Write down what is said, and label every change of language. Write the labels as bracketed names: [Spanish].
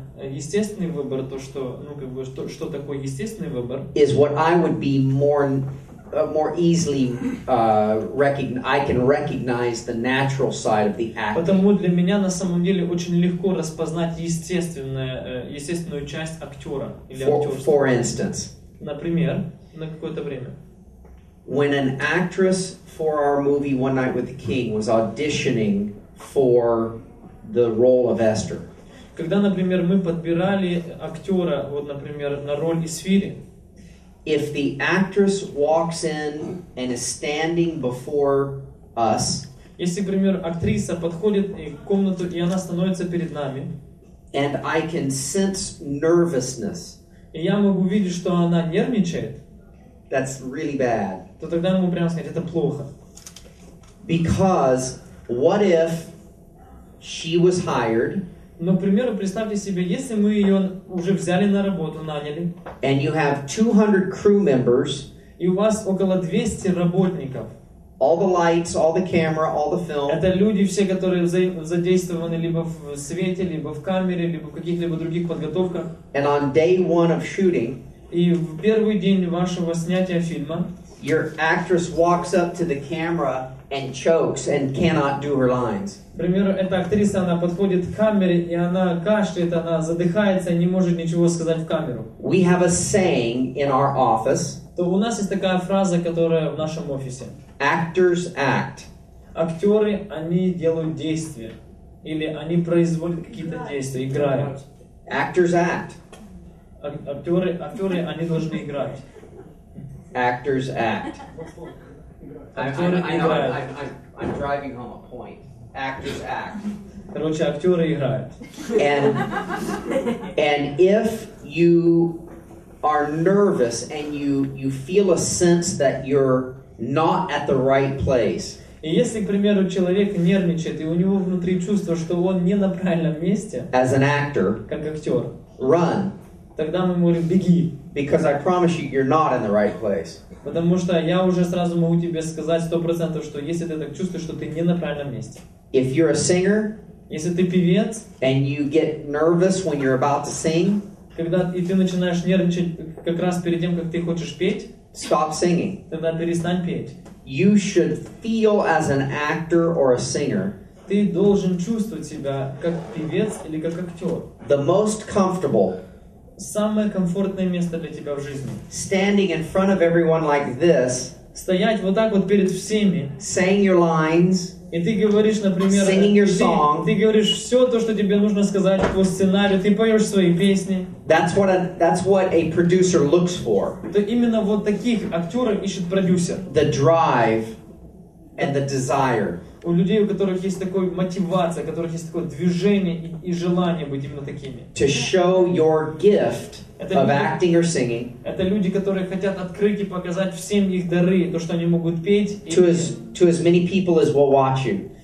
[Russian] Естественный выбор, то что, ну как бы, что такое естественный выбор? [English] Is what I would be more easily I can recognize the natural side of the acting. [Russian] Потому для меня на самом деле очень легко распознать естественную часть актера или актерства. [English] For instance. [Russian] Например, на какое-то время. [English] When an actress for our movie One Night with the King was auditioning for the role of Esther. [Russian] Когда, например, мы подбирали актера, вот, например, на роль Эсфири. [English] If the actress walks in and is standing before us, [Russian] если, например, актриса подходит в комнату и она становится перед нами, [English] and I can sense nervousness, [Russian] и я могу видеть, что она нервничает, [English] that's really bad. [Russian] То тогда я могу прямо сказать, это плохо. [English] Because what if she was hired? [Russian] Но, к примеру, представьте себе, если мы ее уже взяли на работу, наняли. [English] And you have 200 crew members. [Russian] И у вас около 200 работников. [English] All the lights, all the camera, all the film. [Russian] Это люди все, которые задействованы либо в свете, либо в камере, либо в каких-либо других подготовках. [English] And on day one of shooting. [Russian] И в первый день вашего снятия фильма. [English] Your actress walks up to the camera and chokes and cannot do her lines. [Russian] Например, эта актриса, она подходит к камере, и она кашляет, она задыхается, не может ничего сказать в камеру. [English] We have a saying in our office. [Russian] То у нас есть такая фраза, которая в нашем офисе. [English] Actors act. [Russian] Актеры, они делают действия. Или они производят какие-то действия, играют. [English] Actors act. [Russian] Актеры, они должны играть. [English] Actors act. I'm driving home a point. Actors act. [Russian] Короче, актеры играют. [English] And if you are nervous and you feel a sense that you're not at the right place. [Russian] И если, к примеру, человек нервничает и у него внутри чувство, что он не на правильном месте. [English] As an actor. [Russian] Как актер. [English] Run. [Russian] Тогда мы говорим, беги. [English] Because I promise you, you're not in the right place. [Russian] Потому что я уже сразу могу тебе сказать 100%, что если ты так чувствуешь, что ты не на правильном месте. [English] If you're a singer, [Russian] если ты певец, [English] and you get nervous when you're about to sing, [Russian] когда и ты начинаешь нервничать как раз перед тем, как ты хочешь петь, [English] Stop singing. You should feel as an actor or a singer. [Russian] Ты должен чувствовать себя как певец или как актер. [English] The most comfortable. [Russian] Самое комфортное место для тебя в жизни. [English] Standing in front of everyone like this. [Russian] Стоять вот так вот перед всеми. [English] Saying your lines. [Russian] И ты говоришь, например, [English] singing your song. [Russian] Ты говоришь все то, что тебе нужно сказать по сценарию. Ты поешь свои песни. [English] That's what a producer looks for. [Russian] Это именно вот таких актеров ищет продюсер. [English] The drive and the desire. [Russian] У людей, у которых есть такой мотивация, у которых есть такое движение и желание быть именно такими. [English] To show your gift of acting or singing. [Russian] Это люди, которые хотят открыть и показать всем их дары, то, что они могут петь. [English] To as many people as will watch you.